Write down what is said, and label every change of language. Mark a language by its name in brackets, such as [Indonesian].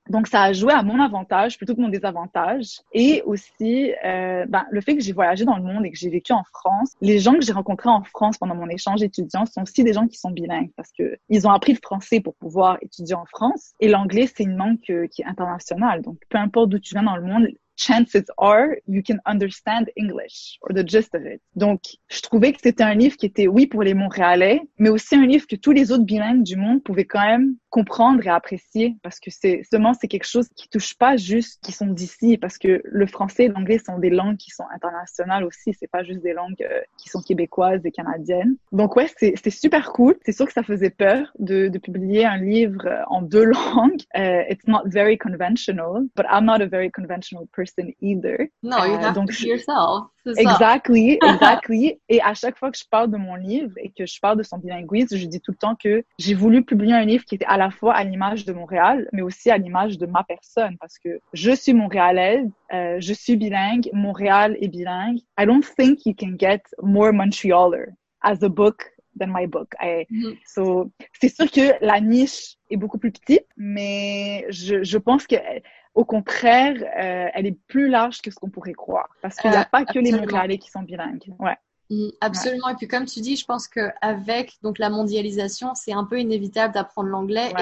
[French] Donc, ça a joué à mon avantage plutôt que mon désavantage. Et aussi, le fait que j'ai voyagé dans le monde et que j'ai vécu en France, les gens que j'ai rencontrés en France pendant mon échange étudiant sont aussi des gens qui sont bilingues, parce que ils ont appris le français pour pouvoir étudier en France, et l'anglais, c'est une langue qui est internationale. Donc, peu importe d'où tu viens dans le monde, [English] chances are you can understand English or the gist of it. [French] Donc, je trouvais que c'était un livre qui était, oui, pour les Montréalais, mais aussi un livre que tous les autres bilingues du monde pouvaient quand même comprendre et apprécier, parce que c'est seulement c'est quelque chose qui touche pas juste qui sont d'ici, parce que le français et l'anglais sont des langues qui sont internationales aussi, c'est pas juste des langues qui sont québécoises et canadiennes. Donc ouais, c'est super cool. C'est sûr que ça faisait peur de publier un livre en deux langues. [English] It's not very conventional, but I'm not a very conventional person either. No, you have [French] donc, [English] to be yourself. Exactly, exactly. [French] Et à chaque fois que je parle de mon livre et que je parle de son bilinguisme, je dis tout le temps que j'ai voulu publier un livre qui était à la fois à l'image de Montréal, mais aussi à l'image de ma personne, parce que je suis Montréalaise, je suis bilingue, Montréal est bilingue. [English] I don't think you can get more Montrealer as a book than my book. [French] So, c'est sûr que la niche est beaucoup plus petite, mais je pense que au contraire, elle est plus large que ce qu'on pourrait croire. Parce qu'il n'y a pas que les Montréalais qui sont bilingues. Ouais. Absolument. Ouais. Et puis, comme tu dis, je pense qu'avec donc, la mondialisation, c'est un peu inévitable d'apprendre l'anglais.